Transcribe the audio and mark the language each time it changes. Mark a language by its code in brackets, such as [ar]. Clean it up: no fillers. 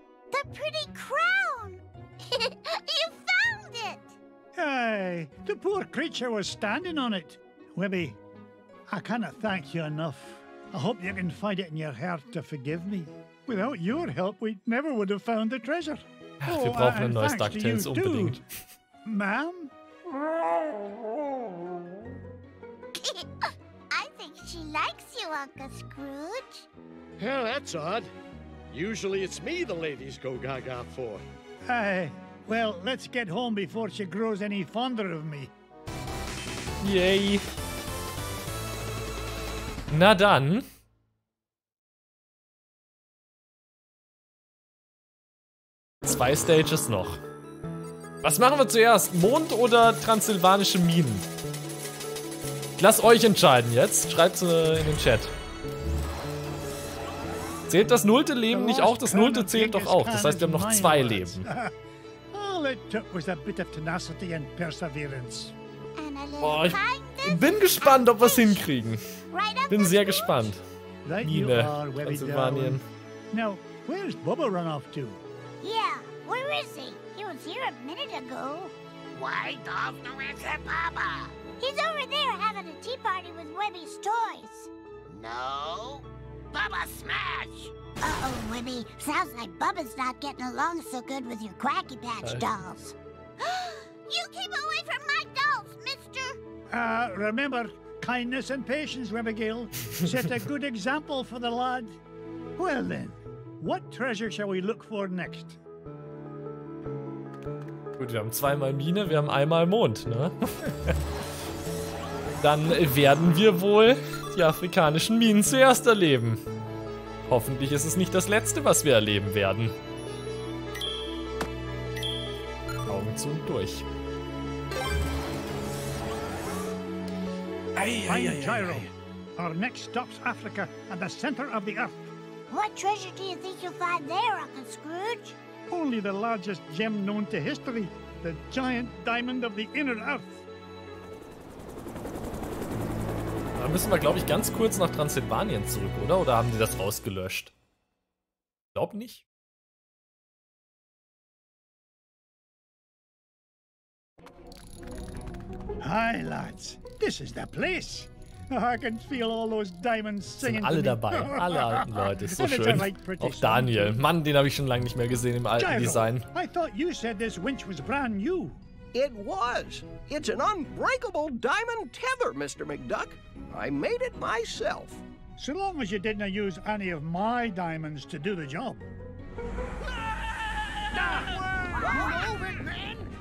[en] The pretty crown. You found it. Hey, the poor creature was standing on it. Webby, I cannot thank you enough. I hope you can find it in your heart to forgive me. Without your help, we never would have found the treasure. [de] Ach, wir brauchen ein neues DuckTales unbedingt. [en] Ma'am? I think she likes you, Uncle Scrooge. Well, that's odd. Usually it's me the ladies go gaga for. Well, let's get home before she grows any fonder of me. Yay. [de] Na dann. Zwei Stages noch. Was machen wir zuerst? Mond oder transsilvanische Minen? Ich lasse euch entscheiden jetzt. Schreibt in den Chat. Zählt das nullte Leben nicht auch? Das nullte zählt doch auch. Das heißt, wir haben noch 2 Leben. Boah, ich bin gespannt, ob wir es hinkriegen. Bin sehr gespannt. Mine, Transsilvanien. [en] Now, where's Bubba run off to? Yeah, where is he? He was here a minute ago. Why, Governor, where's your papa? He's over there having a tea party with Webby's toys. No, Bubba Smash! Uh-oh, Webby, sounds like Bubba's not getting along so good with your Quacky Patch dolls. You keep away from my dolls, mister! Remember, kindness and patience, Webigail. Set a good example for the lad. Well then, what treasure shall we look for next? [de] Gut, wir haben zweimal Mine, wir haben einmal Mond, ne? Dann werden wir wohl die afrikanischen Minen zuerst erleben. Hoffentlich ist es nicht das Letzte, was wir erleben werden. Augen zu und durch. [en] Gyro. Our next stop's Africa at the center of the earth. What treasure do you think you'll find there, Uncle Scrooge? Only the largest gem known to history. The giant diamond of the inner earth. [de] Da müssen wir, glaube ich, ganz kurz nach Transsilvanien zurück, oder? Oder haben sie das rausgelöscht? Glaub nicht. [en] Hi, lads. This is the place. I can feel all those diamonds singing. [de] Sind alle dabei. Alle alten Leute. Ist so schön. Auch Daniel. Mann, den habe ich schon lange nicht mehr gesehen im alten Design. [en] I thought you said this winch was brand new. It was. It's an unbreakable diamond tether, Mr. McDuck. I made it myself. So long as you didn't use any of my diamonds to do the job. Move it, man.